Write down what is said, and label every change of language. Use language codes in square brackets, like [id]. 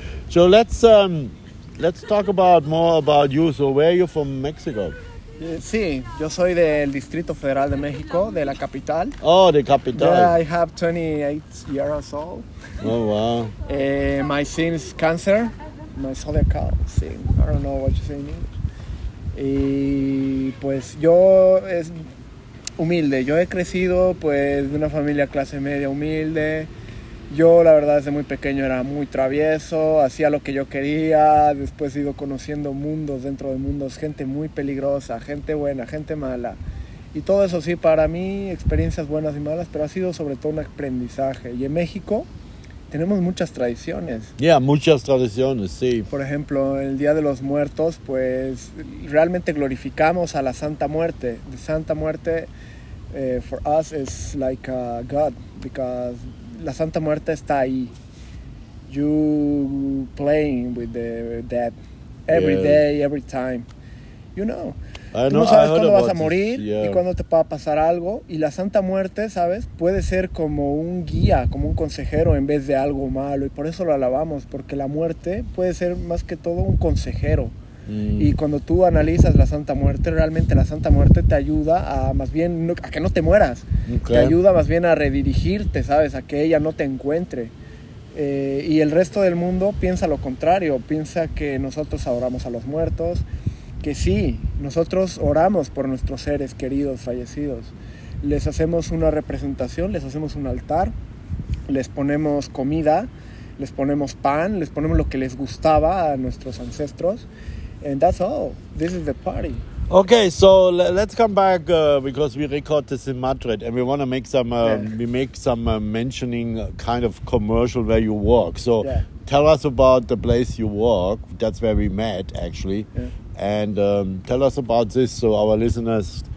[en] So let's talk about more about you. So where are you from? Mexico. [es] Sí, yo soy del Distrito Federal de México, de la capital. [en] Oh, the capital. Yeah, I have 28 years old. Oh, wow. My sin is cancer. My zodiacal sin. I don't know what you say in English. [es] Y pues yo es humilde. Yo he crecido pues de una familia clase media humilde. Yo, la verdad, desde muy pequeño era muy travieso, hacía lo que yo quería. Después he ido conociendo mundos dentro de mundos, gente muy peligrosa, gente buena, gente mala. Y todo eso sí, para mí, experiencias buenas y malas, pero ha sido sobre todo un aprendizaje. Y en México tenemos muchas tradiciones. Yeah, muchas tradiciones, sí. Por ejemplo, el Día de los Muertos, pues realmente glorificamos a la Santa Muerte. [en] The Santa Muerte, for us, is like a God, because... [es] La Santa Muerte está ahí. [en] You playing with the dead every yeah. day, every time. You know. I [es] Tú [en] know, [es] no sabes [en] I [es] cuándo vas a morir [en] yeah. [es] y cuándo te va a pasar algo. Y la Santa Muerte, ¿sabes? Puede ser como un guía, como un consejero en vez de algo malo. Y por eso lo alabamos, porque la muerte puede ser más que todo un consejero. Y cuando tú analizas la Santa Muerte, realmente la Santa Muerte te ayuda a más bien a que no te mueras. [en] Okay. [es] Te ayuda más bien a redirigirte, ¿sabes? A que ella no te encuentre. Y el resto del mundo piensa lo contrario. Piensa que nosotros adoramos a los muertos. Que sí, nosotros oramos por nuestros seres queridos, fallecidos. Les hacemos una representación, les hacemos un altar, les ponemos comida, les ponemos pan, les ponemos lo que les gustaba a nuestros ancestros. [en] And that's all. This is the party. Okay, so let's come back because we record this in Madrid, and we want to make some we make some mentioning kind of commercial where you work. So tell us about the place you work. That's where we met actually, and tell us about this so our listeners.